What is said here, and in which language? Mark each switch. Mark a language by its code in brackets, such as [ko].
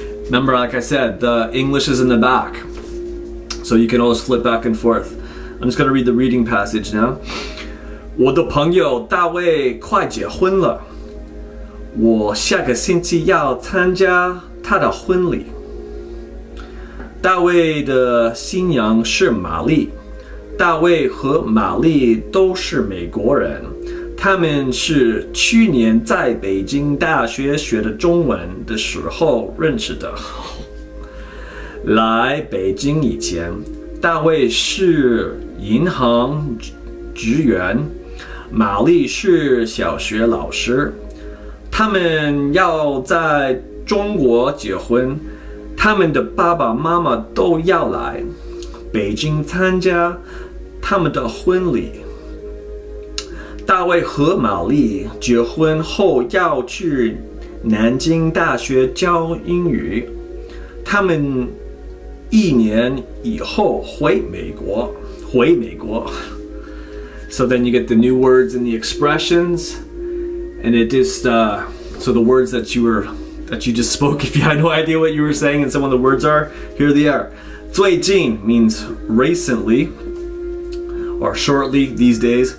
[en] Remember, like I said, the English is in the back. So you can always flip back and forth. I'm just going to read the reading passage now. [zh] 我的朋友大卫快结婚了。我下个星期要参加他的婚礼。大卫的新娘是玛丽。大卫和玛丽都是美国人，他们是去年在北京大学学的中文的时候认识的。来北京以前，大卫是银行职员，玛丽是小学老师。他们要在中国结婚，他们的爸爸妈妈都要来北京参加他们的婚礼。大卫和玛丽结婚后要去南京大学教英语，他们一年以后回美国。回美国。 [en] So then you get the new words and the expressions, and it just, so the words that you just spoke, if you had no idea what you were saying and some of the words are, here they are. 最近 means recently. Or shortly, these days,